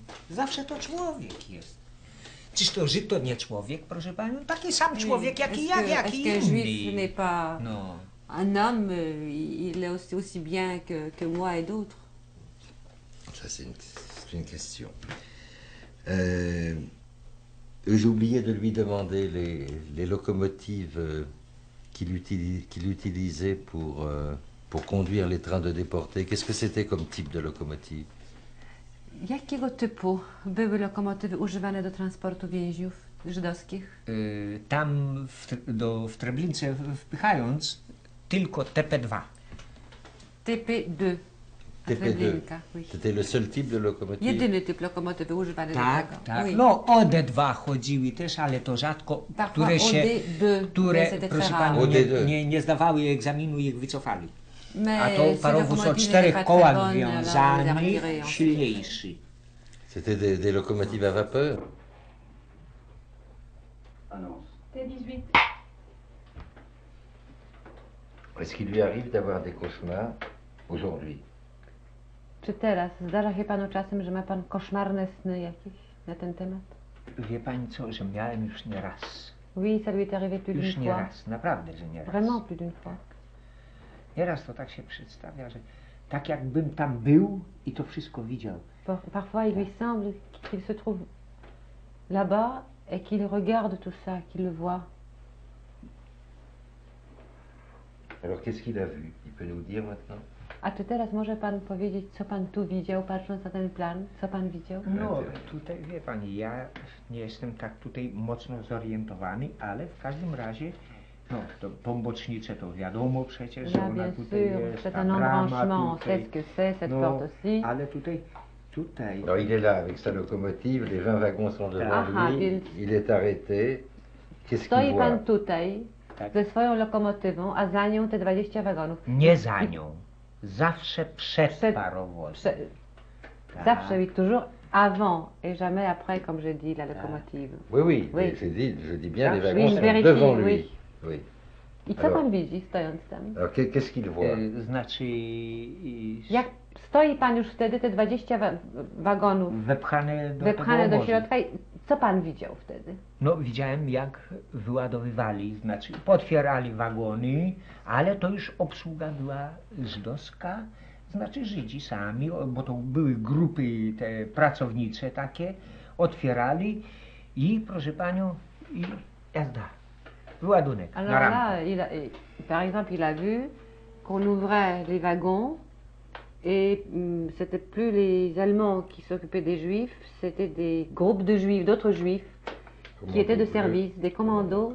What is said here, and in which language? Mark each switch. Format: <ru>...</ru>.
<pl>Zawsze to człowiek jest. Czyż to Żyd to nie człowiek, proszę panią? Taki sam człowiek, jak i ja, jak i inni. No.</pl> <fr>Un homme, il est aussi bien que moi et d'autres. Ça, c'est une question. J'ai oublié de lui demander les locomotives qu'il utilisait pour conduire les trains de déportés. Qu'est-ce que c'était comme type de locomotive?</fr> <pl>Jakiego typu były lokomotywy używane do transportu więźniów żydowskich? Tam w Treblince wpychając tylko TP2. TP2. TP2. To jest</pl> <fr>seul typ de locomotive.</fr> <pl>Jedyny typ lokomotywy używany do tego. Tak.</pl> <fr>Oui.</fr> <pl>No, OD2 chodziły też, ale to rzadko.</pl> <fr>Parfois,</fr> <pl>które się, które, proszę pani, nie zdawały egzaminu i ich wycofali.</pl> <fr>Mais</fr> <pl>a to parowóz o czterech kołach wiązany, silniejszy. To jest</pl> <fr>des locomotives à vapeur. Annonce. T18. Est-ce qu'il lui arrive d'avoir des cauchemars aujourd'hui?</fr> <pl>Czy teraz zdarza się panu czasem, że ma pan koszmarne sny jakieś na ten temat? Wie pani co, że miałem już nie raz.</pl> <fr>Oui, ça lui est arrivé plus d'une fois.</fr> <pl>Już nie raz, naprawdę, że nie raz.</pl> <fr>Vraiment plus d'une fois.</fr> <pl>Nieraz to tak się przedstawia, że tak jakbym tam był i to wszystko widział.</pl> <fr>Parfois il lui semble qu'il se trouve là-bas et qu'il regarde tout ça, qu'il le voit. Alors qu'est-ce qu'il a vu? Il peut nous dire maintenant?</fr> <pl>A czy teraz może pan powiedzieć, co pan tu widział, patrząc na ten plan, co pan widział? No, tutaj, wie pani, ja nie jestem tak tutaj mocno zorientowany, ale w każdym razie, no, to pombocznice to wiadomo przecież, że ona tutaj jest, ta brama tutaj, no, ale tutaj...</pl> <fr>No, il est là, avec sa locomotive, les 20 wagons sont devant lui, il est arrêté, qu'est-ce qu'il voit?</fr> <pl>Stoi pan tutaj, ze swoją lokomotywą, a za nią te 20 wagonów. Nie za nią. Zawsze przed parowozem. Zawsze,</pl> <fr>oui, toujours avant et jamais après, comme je dis, la locomotive. Oui, oui, oui. Je dis bien, les wagons sont vérifié, devant lui. Oui.</fr> <pl>I co pan widzi, stojąc tam?</pl> <fr>Alors, qu'est-ce qu'il voit?</fr> <pl>Znaczy... Jak stoi pan już wtedy te 20 wagonów wepchane do środka, co pan widział wtedy? No, widziałem, jak wyładowywali, znaczy potwierali wagony, ale to już obsługa była żydowska, znaczy Żydzi sami, bo to były grupy, te pracownicze takie, otwierali I proszę panią, i jazda. Ładunek.</pl> <fr>Alors là, il a, par exemple, il a vu qu'on ouvrait les wagons et c'était plus les Allemands qui s'occupaient des Juifs, c'était des groupes de Juifs, d'autres Juifs commando qui étaient de service, bleu, des commandos</fr>